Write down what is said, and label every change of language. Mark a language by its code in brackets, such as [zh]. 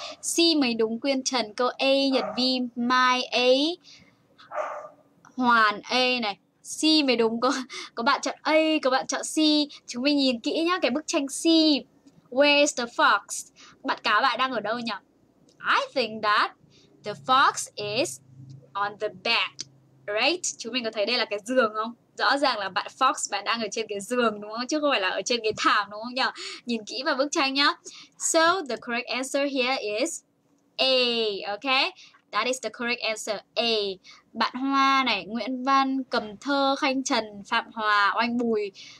[vi] Si mới đúng, Quyên Trần câu A, Nhật Vi, Mai A, Hoàn A này. Si mới đúng, có bạn chọn A, có bạn chọn C. Chúng mình nhìn kỹ nhá cái bức tranh C. [en] Where's the fox? [vi] Bạn cáo bạn đang ở đâu nhỉ? [en] I think that the fox is on the bed. Right? [vi] Chúng mình có thấy đây là cái giường không? Rõ ràng là bạn Fox bạn đang ở trên cái giường đúng không? Chứ không phải là ở trên cái thảm đúng không nhỉ? Nhìn kỹ vào bức tranh nhá. [en] So the correct answer here is A. Okay? That is the correct answer. A. [vi] Bạn Hoa này, Nguyễn Văn, Cầm Thơ, Khanh Trần, Phạm Hòa, Oanh Bùi.